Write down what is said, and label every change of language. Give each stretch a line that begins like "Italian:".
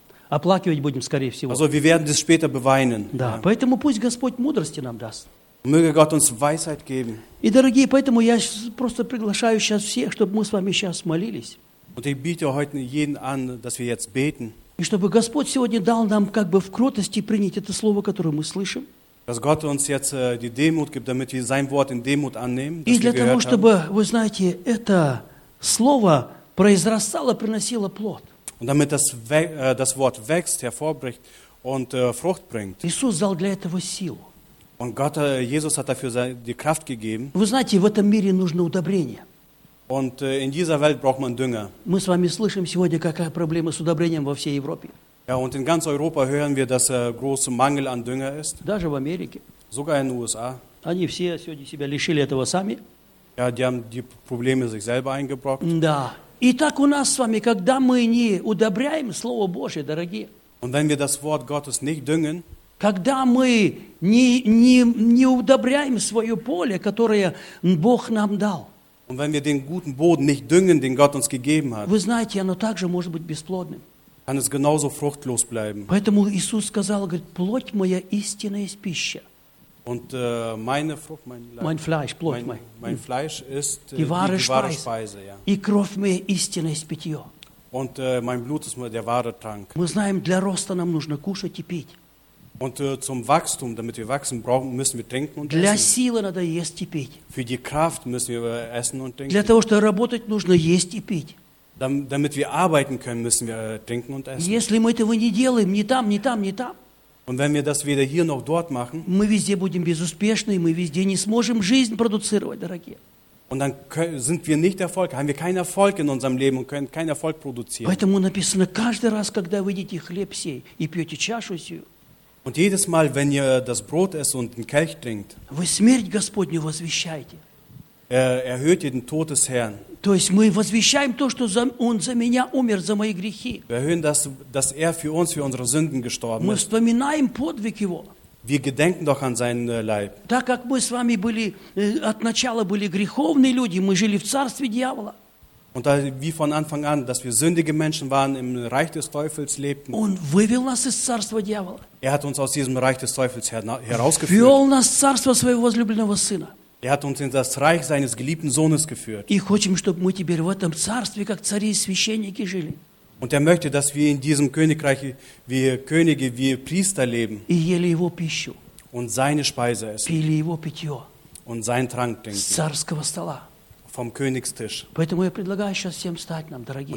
German: Also wir werden das später beweinen.
Russian: Да,
German: ja.
Russian: Поэтому пусть Господь мудрости нам даст.
German: Möge Gott uns Weisheit geben.
Russian: И, дорогие, поэтому я просто приглашаю сейчас всех, чтобы мы с вами сейчас молились.
German: Und ich biete heute jeden an, dass wir jetzt beten.
Russian: И чтобы Господь сегодня дал нам как бы в кротости принять это слово, которое мы слышим.
German: Dass Gott uns jetzt die Demut gibt, damit wir sein Wort in Demut annehmen.
Russian: И для того, чтобы, вы знаете, это слово произрастало, приносило плод.
German: Und damit das Wort wächst, hervorbricht und Frucht bringt.
Russian: Иисус дал для этого силу.
German: Und Gott, Jesus hat dafür die Kraft gegeben.
Russian: Вы знаете, в этом мире нужно удобрение.
German: Und in dieser Welt braucht man Dünger.
Russian: Мы с вами слышим сегодня, какая проблема с удобрением во всей Европе.
German: Ja, und in ganz Europa hören wir, dass großer Mangel an Dünger ist.
Russian: Даже в Америке.
German: Sogar in den USA.
Russian: Они все сегодня себя лишили этого сами.
German: Ja, die haben die Probleme sich selber eingebrockt.
Russian: Да. И так у нас с вами, когда мы не удобряем Слово Божие, дорогие.
German: Und wenn wir das Wort Gottes nicht düngen.
Russian: Когда мы не удобряем свое поле, которое Бог нам дал.
German: Und wenn wir den guten Boden nicht düngen, den Gott uns gegeben hat,
Russian: вы знаете, оно также может быть бесплодным.
German: Kann es genauso fruchtlos bleiben.
Russian: Поэтому Иисус сказал, говорит, плоть моя истина есть пища.
German: Und meine Frucht, mein Leib, mein Fleisch,
Russian: плоть
German: mein,
Russian: моя.
German: Mein Fleisch ist die wahre Speise. Ja.
Russian: И кровь моя истина есть питье.
German: Und mein Blut ist der wahre Trank.
Russian: Мы знаем, для роста нам нужно кушать и пить.
German: Und zum Wachstum, damit wir wachsen, brauchen, müssen wir trinken und
Russian: для
German: essen.
Russian: Силы надо есть и пить.
German: Für die Kraft müssen wir essen und trinken.
Russian: Для того, чтобы работать, нужно есть и пить.
German: Damit wir arbeiten können, müssen wir trinken und essen.
Russian: Если мы этого не делаем, ни там, ни там, ни там.
German: Und wenn wir das weder hier noch dort machen,
Russian: мы везде будем безуспешны, и мы везде не сможем жизнь продуцировать, дорогие.
German: Und dann sind wir nicht Erfolg, haben wir keinen Erfolg in unserem Leben und können keinen Erfolg produzieren.
Russian: Поэтому написано, каждый раз, когда вы едите хлеб сей и пьете чашу сию,
German: und jedes Mal, wenn ihr das Brot esst und den Kelch trinkt,
Russian: вы смерть Господню возвещаете.
German: Erhöht ihr den Tod des Herrn.
Russian: То есть мы возвещаем то, что он за меня умер, за мои грехи.
German: Wir erhöhen das, dass er für uns, für unsere Sünden gestorben
Russian: мы
German: ist.
Russian: Мы вспоминаем подвиг его.
German: Wir gedenken doch an seinen Leib.
Russian: Так как мы с вами были, от начала были греховные люди, мы жили в царстве дьявола.
German: Und wie von Anfang an, dass wir sündige Menschen waren, im Reich des Teufels lebten.
Russian: Он вывел нас из царства дьявола.
German: Er hat uns aus diesem Reich des Teufels herausgeführt.
Russian: Вел нас в царство своего возлюбленного сына.
German: Er hat uns in das Reich seines geliebten Sohnes geführt.
Russian: И хочем, чтобы мы теперь в этом царстве, как цари и священники, жили.
German: Und er möchte, dass wir in diesem Königreich wie Könige, wie Priester leben.
Russian: И ели его пищу.
German: Und seine Speise essen.
Russian: Пили его питье.
German: Und seinen Trank trinken.
Russian: С царского стола.
German: Vom Königstisch.
Russian: Поэтому я предлагаю сейчас всем встать нам, дорогие.